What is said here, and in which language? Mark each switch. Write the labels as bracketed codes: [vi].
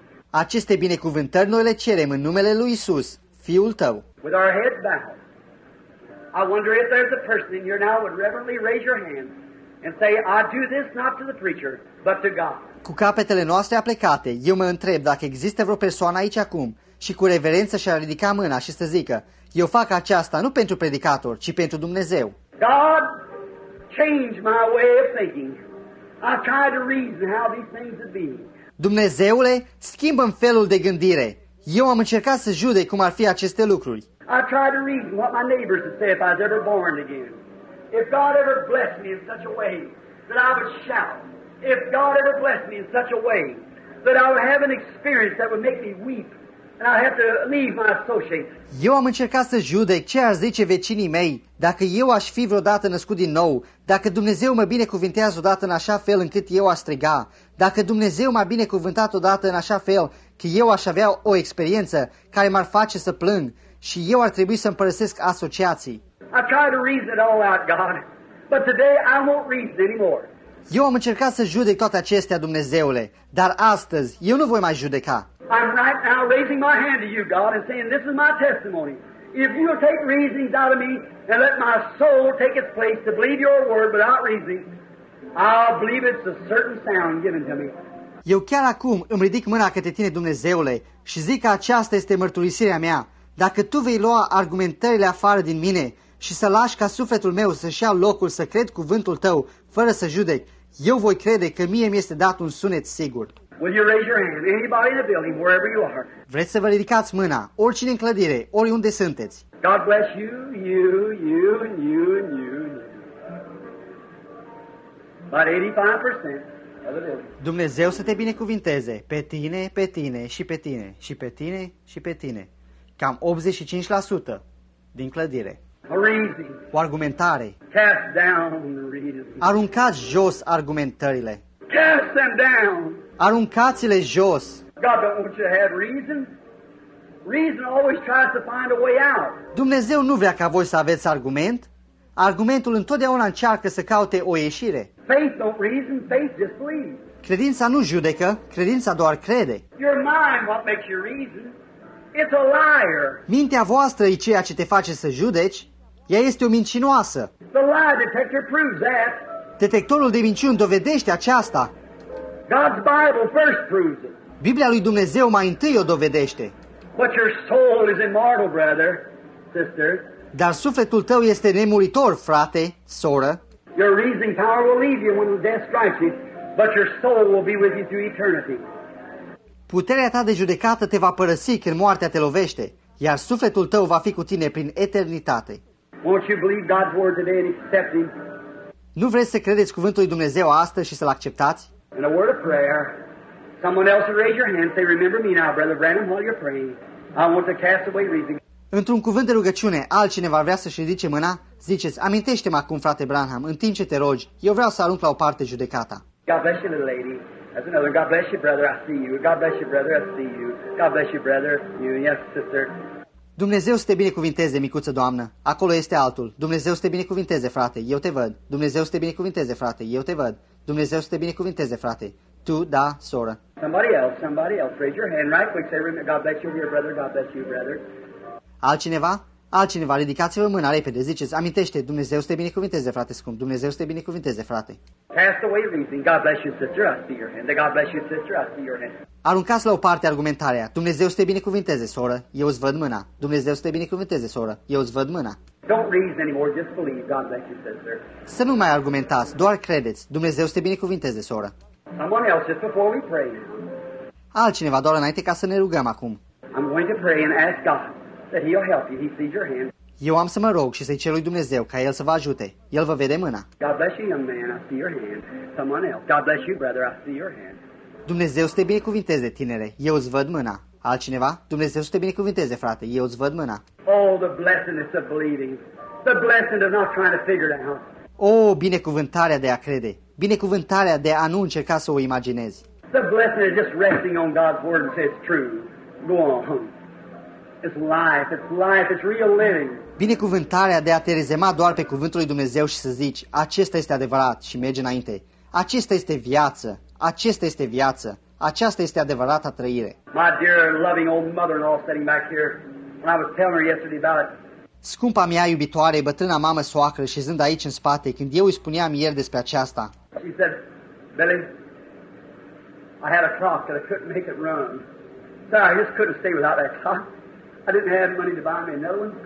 [ro] Aceste binecuvântări noi le cerem în numele lui Iisus, Fiul Tău. [en] With our heads bowed, I wonder if there's a person in here now would reverently raise your hand and say, I do this not to the preacher, but to God. [ro] Cu capetele noastre aplecate, eu mă întreb dacă există vreo persoană aici acum și cu reverență și-ar ridica mâna și să zică, eu fac aceasta nu pentru predicator, ci pentru Dumnezeu. [en] God, change my way of thinking. I try to reason how these things would be. [ro] Dumnezeule, schimbă-mi felul de gândire. Eu am încercat să judec cum ar fi aceste lucruri. [en] I try to reason what my neighbors would say if I was ever born again. If God ever blessed me in such a way that I would shout. If God ever blessed me in such a way that I would have an experience that would make me weep and I have to leave my associates. [ro] Eu am încercat să judec ce ar zice vecinii mei dacă eu aș fi vreodată născut din nou, dacă Dumnezeu mă binecuvintează odată în așa fel încât eu aș striga, dacă Dumnezeu m-a binecuvântat odată în așa fel că eu aș avea o experiență care m-ar face să plâng și eu ar trebui să-mi părăsesc asociații. [en] I tried to reason it all out, God, but today I won't reason anymore. [ro] Eu am încercat să judec toate acestea, Dumnezeule, dar astăzi eu nu voi mai judeca. [en] I'm right now raising my hand to you, God, and saying, this is my testimony. If you will take reasonings out of me and let my soul take its place to believe your word without reasoning, I'll believe it's a certain sound given to me. [ro] Eu chiar acum îmi ridic mâna către tine, Dumnezeule, și zic că aceasta este mărturisirea mea. Dacă tu vei lua argumentările afară din mine și să lași ca sufletul meu să-și ia locul să cred cuvântul tău fără să judec, eu voi crede că mie mi-este dat un sunet sigur. [en] Will you raise your hand? Anybody in the building, wherever you are. [ro] Vreți să vă ridicați mâna, oricine în clădire, oriunde sunteți. [en] God bless you, you, you, and you, and you. About 85% of the building. [ro] Dumnezeu să te binecuvinteze pe tine, pe tine și pe tine și pe tine și pe tine. Cam 85% din clădire. O argumentare. [en] Cast down. [ro] Aruncați jos argumentările. [en] Cast them down. [ro] Aruncați-le jos. [en] God don't want you to have reason. Reason always tries to find a way out. [ro] Dumnezeu nu vrea ca voi să aveți argument. Argumentul întotdeauna încearcă să caute o ieșire. [en] Faith don't reason, faith just believes. [ro] Credința nu judecă, credința doar crede. [en] Your mind what makes you reason. It's a liar. [ro] Mintea voastră e ceea ce te face să judeci. Ea este o mincinoasă. [en] The lie detector proves that. [ro] Detectorul de minciuni dovedește aceasta. [en] God's Bible first proves it. [ro] Biblia lui Dumnezeu mai întâi o dovedește. [en] But your soul is immortal, brother, sister. [ro] Dar sufletul tău este nemuritor, frate, soră. [en] Your reasoning power will leave you when death strikes you, but your soul will be with you through eternity. [ro] Puterea ta de judecată te va părăsi când moartea te lovește, iar sufletul tău va fi cu tine prin eternitate. [en] Won't you believe God's word today and accept him? [ro] Nu vreți să credeți cuvântul lui Dumnezeu astăzi și să-l acceptați? [en] In a word of prayer, someone else will raise your hand and say, remember me now, Brother Branham, while you're praying. I want to cast away reason. [ro] Într-un cuvânt de rugăciune, altcineva vrea să-și ridice mâna, ziceți, amintește-mă acum, frate Branham, în timp ce te rogi, eu vreau să arunc la o parte judecata. [en] God bless you, little lady. That's another. God bless you, brother, I see you. God bless you, brother, I see you. God bless you, brother, you, yes, sister. [ro] Dumnezeu să te binecuvinteze, micuță doamnă. Acolo este altul. Dumnezeu să te binecuvinteze, frate. Eu te văd. Dumnezeu să te binecuvinteze, frate. Eu te văd. Dumnezeu să te binecuvinteze, frate. Tu, da, soră. [en] Somebody else. Raise your hand right quick. Say, God bless you, your brother. God bless you, brother. [ro] Altcineva? Altcineva. Ridicați-vă mâna repede. Ziceți, amintește, Dumnezeu să te binecuvinteze, frate scump. Dumnezeu să te binecuvinteze, frate. [en] Cast away reason. God bless you, sister. I see your hand. God bless you, sister. I see your hand. [ro] Aruncați la o parte argumentarea. Dumnezeu să te binecuvinteze, soră. Eu îți văd mâna. Dumnezeu să te binecuvinteze, soră. Eu îți văd mâna. [en] Don't reason anymore, just believe. God bless you, sister. [ro] Să nu mai argumentați, doar credeți. Dumnezeu să te binecuvinteze, soră. [en] Someone else just before we pray. [ro] Altcineva doar înainte ca să ne rugăm acum. [en] I'm going to pray and ask God that he'll help you. He sees your hand. [ro] Eu am să mă rog și să-i cer lui Dumnezeu ca el să vă ajute. El vă vede mâna. [en] God bless you, young man. I see your hand. Someone else. God bless you, brother. I see your hand. [ro] Dumnezeu să te binecuvinteze, tinere. Eu îți văd mâna. Altcineva? Dumnezeu să te binecuvinteze, frate. Eu îți văd mâna. [en] Oh, the blessedness of believing. The blessing of not trying to figure it out. [ro] Oh, binecuvântarea de a crede. Binecuvântarea de a nu încerca să o imaginezi. [en] The blessing of just resting on God's word and say it's true. Go on. It's life. It's life. It's real living. [ro] Binecuvântarea de a te rezema doar pe cuvântul lui Dumnezeu și să zici, acesta este adevărat și mergi înainte. Acesta este viață. Acesta este viață. Aceasta este adevărata trăire. [en] My dear, loving old mother-in-law sitting back here, when I was telling her yesterday about it, [ro] Scumpa mea iubitoare, bătrâna mamă soacră, șezând aici în spate, când eu îi spuneam ieri despre aceasta. [en] She said, Billy, I had a clock that I couldn't make it run. So I just couldn't stay without that clock. I didn't have money to buy me another one.